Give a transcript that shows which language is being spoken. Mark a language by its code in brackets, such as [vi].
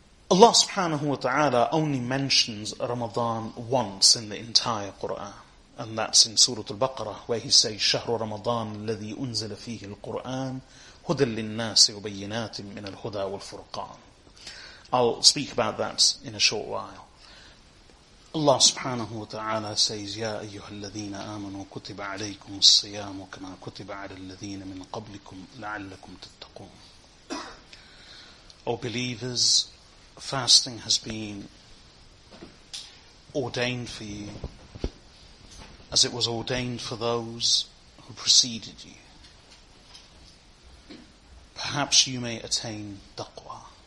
[en] Allah subhanahu wa ta'ala only mentions Ramadan once in the entire Qur'an, and that's in Surah Al-Baqarah, where he says, [ar] شَهْرُ رَمَضَانَ الَّذِي أُنزِلَ فِيهِ الْقُرْآنِ هُدَى لِلنَّاسِ وَبَيِّنَاتٍ مِّنَ الْهُدَى وَالْفُرْقَانِ. [en] I'll speak about that in a short while. Allah subhanahu wa ta'ala says, [ar] يَا أَيُّهَا الَّذِينَ آمَنُوا كُتِبَ عَلَيْكُمُ الصِّيَامُ كَمَا كُتِبَ عَلَى الَّذِينَ مِنْ قَبْلِكُمْ لَعَلَّكُمْ تَتَّقُونَ. [en] O believers, fasting has been ordained for you as it was ordained for those who preceded you. Perhaps you may attain taqwa.